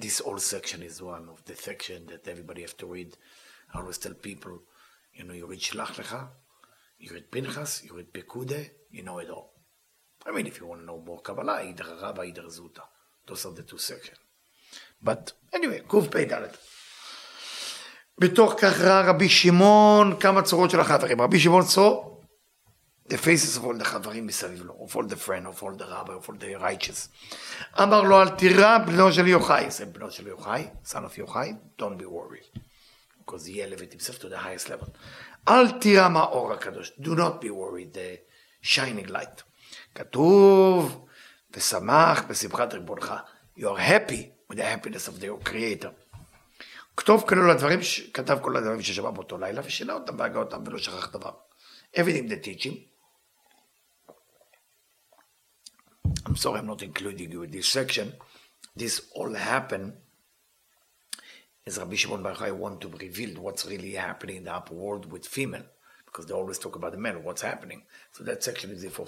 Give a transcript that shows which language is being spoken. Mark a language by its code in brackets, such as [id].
[en] This whole section is one of the section that everybody have to read. I always tell people, you know, you read Shlach Lecha, you read Pinchas, you read Pekude, you know it all. I mean, if you want to know more Kabbalah, either Rava, either Zuta. Those are the two sections. But anyway, Kuf Pei Dalet. [he] בתוך כך ראה רבי שמעון כמה צורות של החברים. [en] רבי שמעון saw the faces of all the חברים [he] מסביב לו, [en] of all the friends, of all the rabbi, of all the righteous. [he] אמר לו, אל תירא, בנו של יוחאי. זה בנו של יוחאי, [en] son of יוחאי, don't be worried. Because he elevated himself to the highest level. [he] אל תירא מהאור הקדוש. [en] Do not be worried, the shining light. [he] כתוב, ושמח בשמחת ריבונך. [en] You are happy with the happiness of your creator. [he] כתוב כל הדברים, כתב כל הדברים ששמע באותו לילה, ושינה אותם והגע אותם ולא שכח דבר. [en] Everything the teaching. I'm sorry, I'm not including you in this section. This all happened as Rabbi Shimon Bar Yochai want to reveal what's really happening in the upper world with female. Because they always talk about the male, what's happening. So that section is before.